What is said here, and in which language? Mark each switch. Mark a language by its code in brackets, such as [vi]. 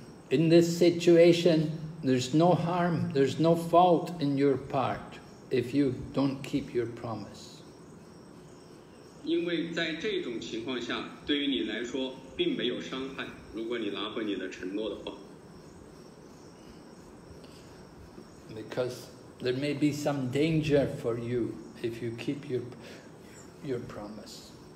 [en] in this situation, there's no harm, there's no fault in your part if you don't keep your promise. [zh] 因为在这种情况下,对于你来说,并没有伤害,如果你拿回你的承诺的话。 [en] Because there may be some danger for you if you keep your promise.